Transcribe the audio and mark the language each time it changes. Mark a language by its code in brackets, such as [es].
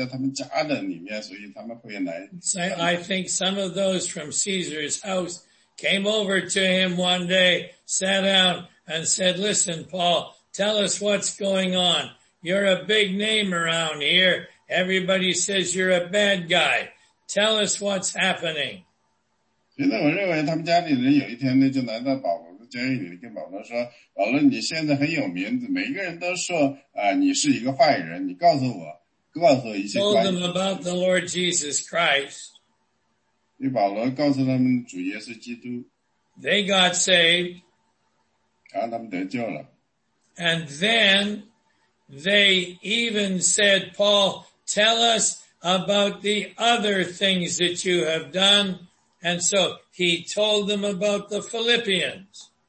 [zh] 因为这个呢,使徒保罗当时呢,他大概在罗马给他们传道,他当时是在监狱里,他们那个家里的人呢,可能会因为这个监狱在他们家的里面,所以他们会来。 [en] I think some of those from Caesar's house came over to him one day, sat down and said, listen, Paul, tell us what's going on. You're a big name around here. Everybody says you're a bad guy. Tell us what's happening. [zh] 现在我认为他们家里人有一天呢,就来到保罗的监狱里,跟保罗说,保罗你现在很有名字,每个人都说,你是一个坏人,你告诉我,告诉我一些关系。 [en] Told them about the Lord Jesus Christ. [zh] 与保罗告诉他们主耶稣基督。 [en] They got saved. [zh] 然后他们得救了。 [en] And then they even said, Paul, tell us about the other things that you have done. And so he told them about the Philippians.